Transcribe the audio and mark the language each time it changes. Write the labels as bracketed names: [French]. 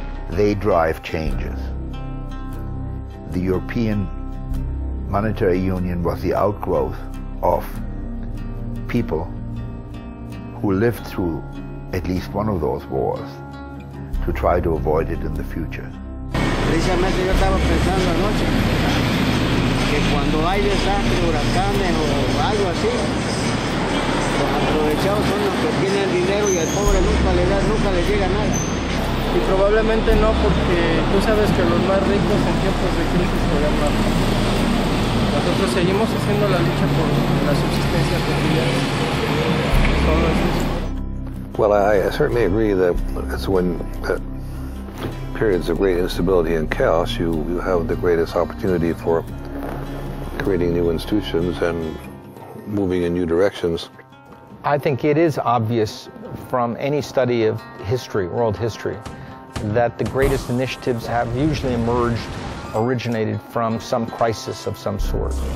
[English] They drive changes. The European Monetary Union was the outgrowth of people who lived through at least one of those wars to try to avoid it in the future. [Spanish] Precisamente yo estaba pensando anoche que cuando hay desastres, huracanes o algo así, los aprovechados son los que tienen el dinero y al pobre nunca le llega nada. Y probablemente no, porque tú sabes que los más ricos en tiempos de crisis se llaman. Nosotros seguimos haciendo la lucha por la subsistencia cotidiana. [English] Well, I certainly agree that it's when periods of great instability and chaos, you have the greatest opportunity for creating new institutions and moving in new directions. I think it is obvious from any study of history, world history, that the greatest initiatives have usually emerged, originated from some crisis of some sort.